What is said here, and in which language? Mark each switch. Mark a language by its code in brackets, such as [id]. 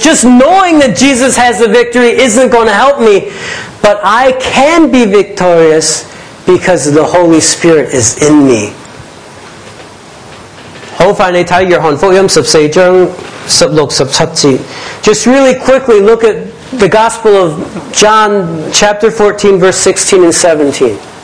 [en] Just knowing that Jesus has the victory isn't going to help me. But I can be victorious because the Holy Spirit is in me. [zh] 好快你看约翰福音14章16-17节。 Just really quickly look at the Gospel of John, chapter 14, verse 16-17.